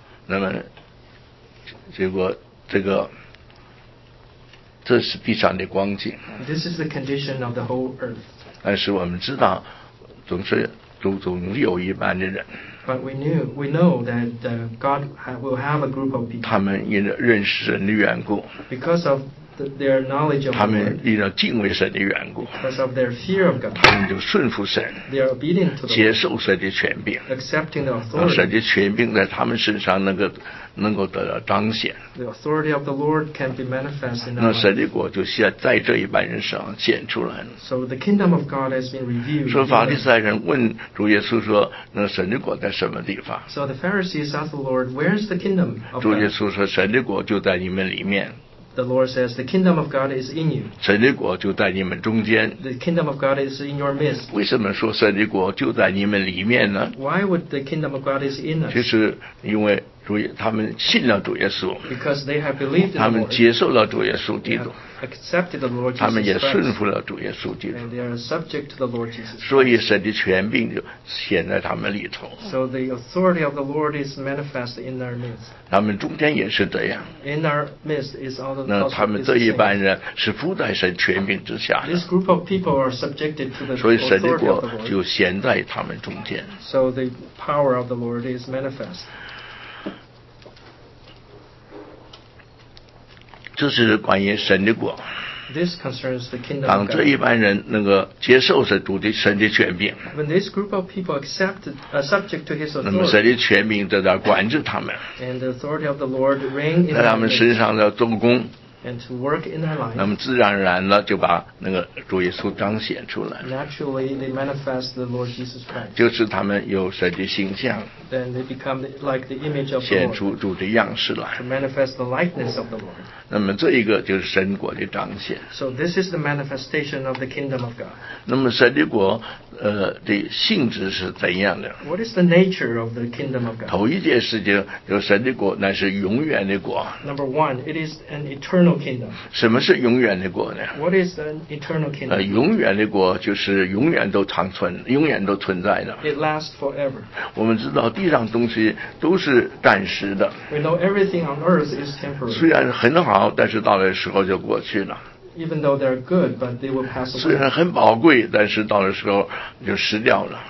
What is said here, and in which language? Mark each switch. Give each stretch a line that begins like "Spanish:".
Chinese: 那么，结果这是地上的光景。
English: This is the condition of the whole earth。
Chinese: 但是我们知道，总有一般的人。
English: But we know that God will have a group of people。
Chinese: 他们因着认识神的缘故。
English: Because of their knowledge of God,
Chinese: 他们因着敬畏神的缘故
English: because of their fear of God,
Chinese: 他们就顺服神
English: they are obedient to the Lord,
Chinese: 接受神的权柄
English: accepting the authority,
Chinese: 神的权柄在他们身上能够得到彰显
English: the authority of the Lord can be manifest in
Chinese: 那神的国就在这一般人身上显出来了
English: so the kingdom of God has been revealed
Chinese: 说法利赛人问主耶稣说那神的国在什么地方
English: so the Pharisees asked the Lord where is the kingdom of God
Chinese: 主耶稣说神的国就在你们里面
English: The Lord says, "The kingdom of God is in you."
Chinese: 神的国就在你们中间。
English: The kingdom of God is in your midst.
Chinese: 为什么说神的国就在你们里面呢
English: ？Why would the kingdom of God is in us?
Chinese: 其实因为他们信了主耶稣。
English: Because they have believed in the Lord.
Chinese: 他们接受了主耶稣基督。
English: Accepted the Lord Jesus.
Chinese: 他们也顺服了主耶稣基督。
English: And they are subject to the Lord Jesus.
Chinese: 所以神的权柄就显在他们里头。
English: So the authority of the Lord is manifest in their midst.
Chinese: 他们中间也是这样。
English: In our midst is all the
Chinese: 那他们这一般人是附在神权柄之下的。
English: This group of people are subjected to the authority of the Lord.
Chinese: 所以神的国就显在他们中间。
English: So the power of the Lord is manifest.
Chinese: 这是关于神的国。
English: This concerns the kingdom of
Chinese: God. 当这一般人能够接受神的权柄。
English: When this group of people accept subject to His authority.
Chinese: 那么神的权柄在那管制他们。
English: And the authority of the Lord reign in.
Chinese: 在他们身上要做工。
English: And to work in their life.
Chinese: 那么自然而然的就把那个主耶稣彰显出来。
English: Naturally, they manifest the Lord Jesus Christ.
Chinese: 就是他们有神的形象。
English: Then they become like the image of the Lord.
Chinese: 显出主的样式来。
English: To manifest the likeness of the Lord.
Chinese: 那么这一个就是神国的彰显。
English: So this is the manifestation of the kingdom of God.
Chinese: 那么神的国的性质是怎样的
English: ？What is the nature of the kingdom of God?
Chinese: 头一件事情就是神的国乃是永远的国。
English: Number one, it is an eternal kingdom.
Chinese: 什么是永远的国呢
English: ？What is an eternal kingdom?
Chinese: 永远的国就是永远都长存，永远都存在的。
English: It lasts forever.
Chinese: 我们知道地上东西都是暂时的。
English: We know everything on earth is temporary.
Chinese: 虽然很好。好，但是到了时候就过去了。
English: Even though they're good, but they will pass away.
Chinese: 虽然很宝贵，但是到了时候就失掉了。